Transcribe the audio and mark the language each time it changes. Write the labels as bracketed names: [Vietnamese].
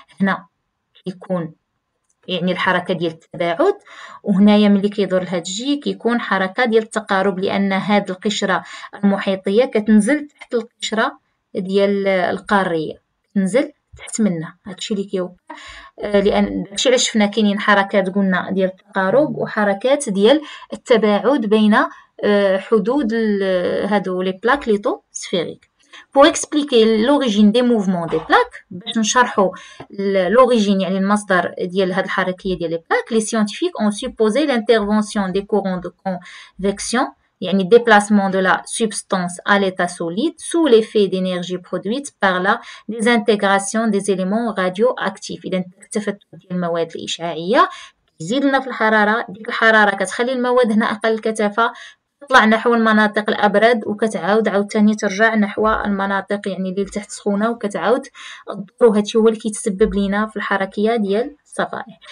[Arabic] هنا كيكون يعني الحركه ديال التباعد وهنايا ملي كيدور لهاد الجي كيكون حركه ديال التقارب لان هاد القشره المحيطيه كتنزل تحت القشره ديال القاريه تنزل تحت منها. هادشي اللي كيوقع لان داكشي علاش شفنا كاينين حركات قلنا ديال التقارب وحركات ديال التباعد بين حدود هادو [French] لي بلاك ليتو سفيريك. pour expliquer l'origine des mouvements des plaques [Arabic] باش نشرحوا [French] l'origine [Arabic] يعني المصدر ديال هاد الحركيه ديال لي بلاك [French] les scientifiques ont supposé l'intervention des courants de convection يعني déplacement de la substance à l'état solide sous l'effet d'énergie produite par la désintégration des éléments radioactifs. [Arabic] اذا التفت ديال المواد الاشعاعيه يزيد لنا في الحراره ديك الحراره كتخلي المواد هنا اقل كثافه تطلع نحو المناطق الأبرد وكتعاود عاوتاني ترجع نحو المناطق يعني اللي لتحت سخونة وكتعاود الضوء، وهادشي هو اللي كيتسبب لينا في الحركية ديال الصفائح.